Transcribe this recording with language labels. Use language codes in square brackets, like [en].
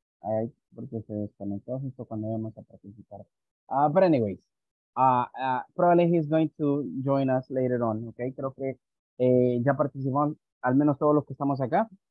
[es] All right, porque se desconectó justo cuando íbamos a participar. [en] But anyways, probably he's going to join us later on. [es] Okay, creo que ya participó al menos todos los que estamos acá.